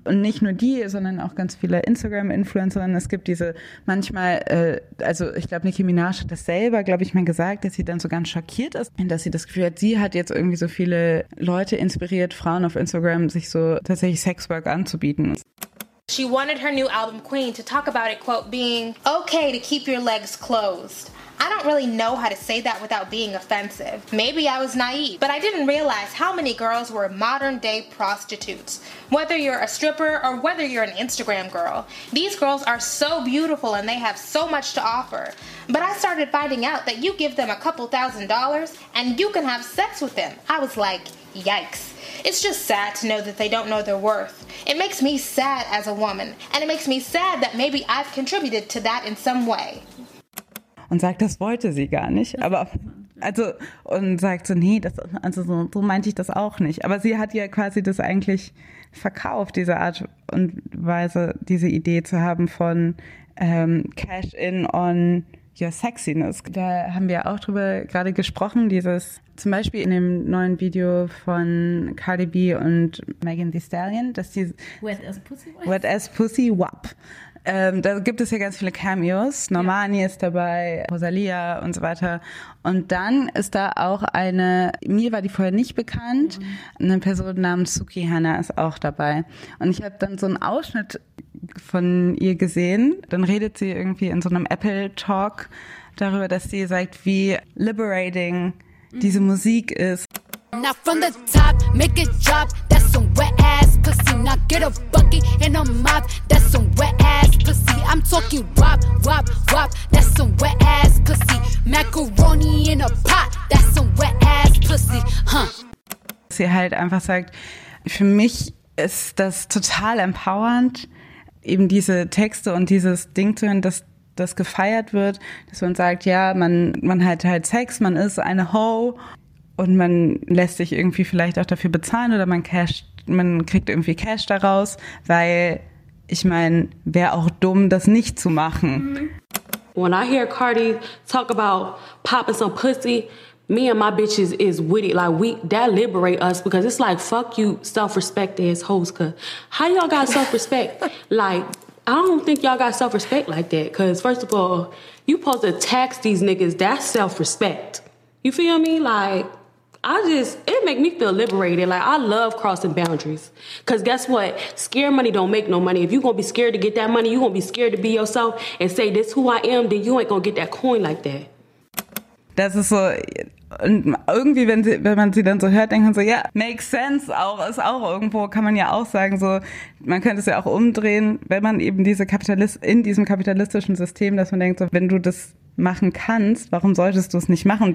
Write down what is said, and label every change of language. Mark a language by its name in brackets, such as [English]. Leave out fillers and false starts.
[German] Und nicht nur die, sondern auch ganz viele Instagram-Influencer. Es gibt diese manchmal, also ich glaube, Nicki Minaj hat das selber, glaube ich, mal gesagt, dass sie dann so ganz schockiert ist, dass sie das Gefühl hat, sie hat jetzt irgendwie so viele Leute inspiriert, Frauen auf Instagram, sich so tatsächlich Sexwork anzubieten. [English] She wanted her new album Queen to talk about it, quote, being okay to keep your legs closed. I don't really know how to say that without being offensive. Maybe I was naive, but I didn't realize how many girls were modern day prostitutes. Whether you're a stripper or whether you're an Instagram girl, these girls are so beautiful and they have so much to offer. But I started finding out that you give them a couple thousand dollars and you can have sex with them. I was like, yikes. It's just sad to know that they don't know their worth. It makes me sad as a woman, and it makes me sad that maybe I've contributed to that in some way. [German] Und sagt, das wollte sie gar nicht, aber also und sagt so, nee, das, also so meinte ich das auch nicht. Aber sie hat ja quasi das eigentlich verkauft, diese Art und Weise, diese Idee zu haben von [English] Cash in on your sexiness. [German] Da haben wir auch drüber gerade gesprochen, dieses zum Beispiel in dem neuen Video von Cardi B und Megan Thee Stallion, dass die [English] Wet as Pussy Wap. [German] Da gibt es ja ganz viele Cameos. Normani ist dabei, Rosalia und so weiter. Und dann ist da auch eine, mir war die vorher nicht bekannt, eine Person namens Suki Hanna ist auch dabei. Und ich habe dann so einen Ausschnitt von ihr gesehen. Dann redet sie irgendwie in so einem Apple-Talk darüber, dass sie sagt, wie liberating diese Musik ist. [English] Now from the top, make it drop, that's some wet ass pussy. Now get a bucket and a mop, that's some wet ass pussy. I'm talking wop, wop, wop, that's some wet ass pussy. Macaroni in a pot, that's some wet ass pussy, huh. [German] Sie halt einfach sagt, für mich ist das total empowernd, eben diese Texte und dieses Ding zu hören, dass das gefeiert wird, dass man sagt, ja, man hat halt Sex, man ist eine Ho. Und man lässt sich irgendwie vielleicht auch dafür bezahlen oder man kriegt irgendwie Cash daraus, weil ich meine, wäre auch dumm, das nicht zu machen. [English] When I hear Cardi talk about popping some pussy, me and my bitches is with it. Like, that liberate us because it's like, fuck you, self-respect ass hoes. How y'all got self-respect? Like, I don't think y'all got self-respect like that. Because first of all, you supposed to tax these niggas, that's self-respect. You feel me? Like, it make me feel liberated. Like, I love crossing boundaries. Cause guess what? Scared money don't make no money. If you gonna be scared to get that money, you gonna be scared to be yourself and say, this who I am, then you ain't gonna get that coin like that. [German] Das ist so, und irgendwie, wenn man sie dann so hört, denkt man so, ja, [English] makes sense [German] auch, ist auch irgendwo, kann man ja auch sagen, so, man könnte es ja auch umdrehen, wenn man eben diese in diesem kapitalistischen System, dass man denkt so, wenn du das machen kannst, warum solltest du es nicht machen?